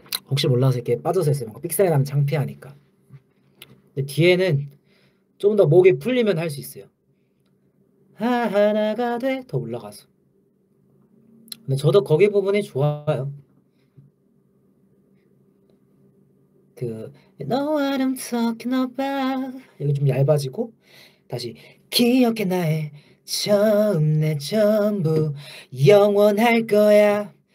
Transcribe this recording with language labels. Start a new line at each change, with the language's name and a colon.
Korean: 혹시 몰라서 이렇게 빠져서 했어요. 빅사이 나면 창피하니까. 근데 뒤에는 좀더 목이 풀리면 할수 있어요. 하나가 돼더 올라가서. 근데 저도 거기 부분이 좋아요.
English: 그 You know what I'm talking about.
Korean: 여기 좀 얇아지고 다시 기억해 나의 처음 내 전부 영원할 거야.